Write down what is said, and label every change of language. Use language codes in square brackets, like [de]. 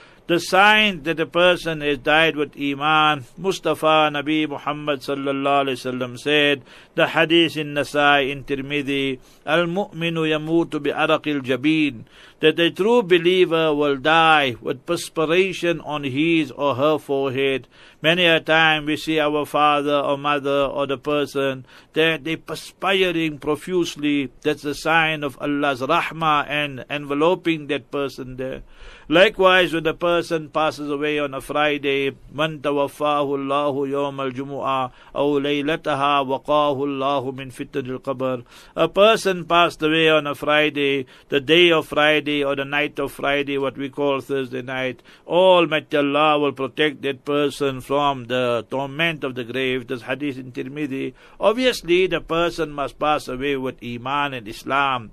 [en] The sign that a person has died with Iman, Mustafa Nabi Muhammad sallallahu alayhi wa sallam said, the hadith in Nasai in Tirmidhi, [ar] Al-mu'minu yamutu bi-araqil jabeen, [en] that a true believer will die with perspiration on his or her forehead. Many a time we see our father or mother or the person that they perspiring profusely. That's a sign of Allah's rahmah and enveloping that person there. Likewise, when a person passes away on a Friday, [ar] من توفاه الله يوم الجمعة أو ليلتها وقاه الله من فتنة القبر. [en] A person passed away on a Friday, the day of Friday or the night of Friday, what we call Thursday night. Almighty Allah will protect that person from the torment of the grave. This hadith in Tirmidhi. Obviously, the person must pass away with Iman and Islam.